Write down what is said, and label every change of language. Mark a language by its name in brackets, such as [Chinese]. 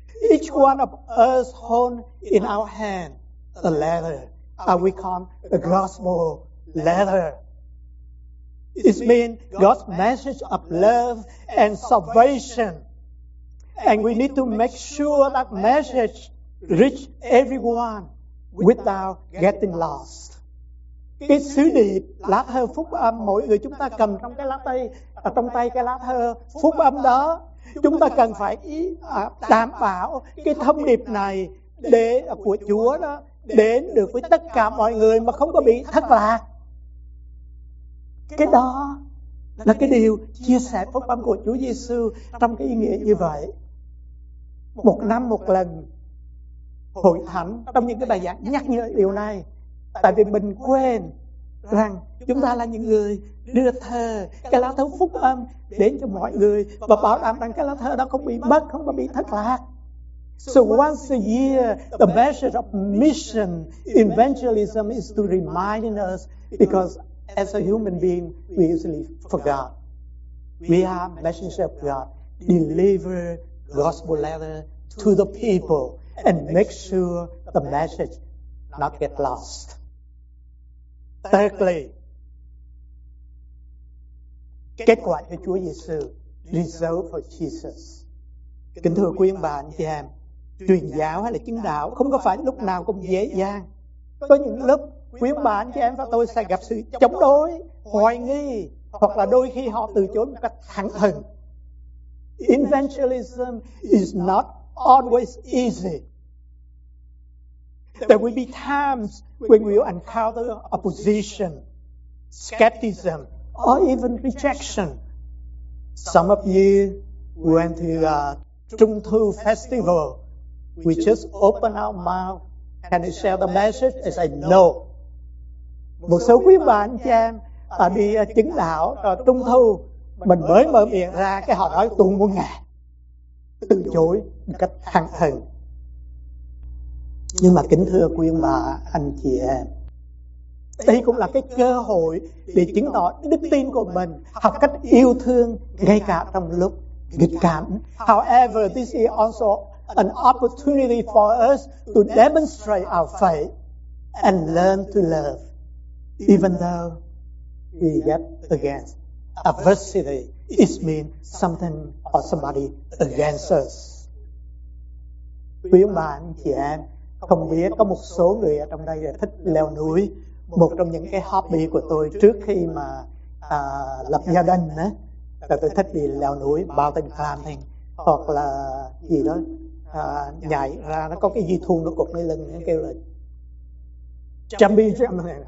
[English] Each one of us holds in our hand a letter, and we call the gospel letter. It means God's message of love and salvation. And we need to make sure that message reach everyone without getting lost. [Vietnamese] Cái sứ điệp, lá thơ phúc âm, mỗi người chúng ta cầm trong cái lá tay, trong tay cái lá thơ phúc âm đó, chúng ta cần phải đảm bảo cái thông điệp này để của Chúa đó đến được với tất cả mọi người mà không có bị thất lạc. Cái đó là cái điều chia sẻ phúc âm của Chúa Giêsu trong cái ý nghĩa như vậy. Một năm một lần hội thánh trong những cái bài giảng nhắc nhở điều này, tại vì mình quên rằng chúng ta là những người đưa thơ, cái lá thơ phúc âm đến cho mọi người và bảo đảm rằng cái lá thơ đó không bị mất, không có bị thất lạc. [English] So once a year, the message of mission evangelism is to remind us, because as a human being, we usually forgot. We are messenger of God. Deliver gospel letter to the people and make sure the message not get lost. Thirdly, [Vietnamese] kết quả cho Chúa Giêsu, [English] result for Jesus. [Vietnamese] Kính thưa quý ông bà anh chị em, truyền giáo hay là chứng đạo không có phải lúc nào cũng dễ dàng. Có những lúc quý ông bà anh chị em và tôi sẽ gặp sự chống đối, hoài nghi, hoặc là đôi khi họ từ chối một cách thẳng thừng. [English] Evangelism is not always easy. There will be times when we encounter opposition, skepticism, or even rejection. Some of you went to a Trung Thu festival. We just open our mouth and share the message and say no. [Vietnamese] Một số quý bà anh chị em đi chứng đạo Trung Thu, mình mới mở miệng ra cái họ nói tôi muốn ngà, từ chối một cách thẳng thừng. Nhưng mà kính thưa quý ông bà anh chị em, đây cũng là cái cơ hội để chứng tỏ đức tin của mình, học cách yêu thương ngay cả trong lúc nghịch cảm. [English] However, this is also an opportunity for us to demonstrate our faith and learn to love, even though we get against adversity. It means something or somebody against us. [Vietnamese] Quý ông bà anh chị em, không biết có một số người ở trong đây là thích leo núi. Một trong những cái hobby của tôi trước khi mà lập gia đình đó, là tôi thích đi leo núi, [English] mountain climbing, [Vietnamese] hoặc là gì đó, nhảy ra, nó có cái dây thun nó cột lên lưng, nó kêu là jumping.